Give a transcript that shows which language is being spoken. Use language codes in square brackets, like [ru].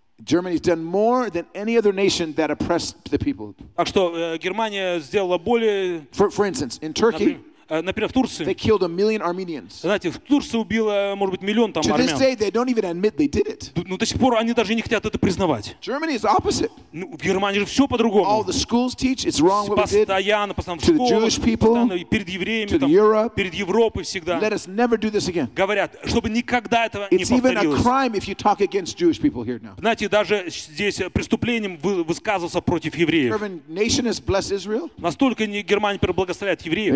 [en] Germany's done more than any other nation that oppressed the people. [ru] Так что Германия сделала более. [en] For instance, in Turkey, [ru] например, в Турции. [en] They killed a million Armenians. [ru] Знаете, в Турции убило, может быть, миллион там армян. [en] To this day, they don't even admit they did it. [ru] Ну, до сих пор они даже не хотят это признавать. [en] Germany is opposite. [ru] Ну, в Германии же все по-другому. [en] All the schools teach it's wrong what we did. [ru] Постоянно, постоянно в школах, [en] to the Jewish people, [ru] постоянно перед евреями, [en] to the [ru] там, [en] Europe, [ru] перед Европой всегда. [en] Let us never do this again. [ru] Говорят, чтобы никогда этого [en] it's [ru] не повторилось. [en] It's even a crime if you talk against Jewish people here now. [ru] Знаете, даже здесь преступлением высказываться против евреев. [en] German nation has blessed Israel. [ru] Настолько не Германия благословляет евреев.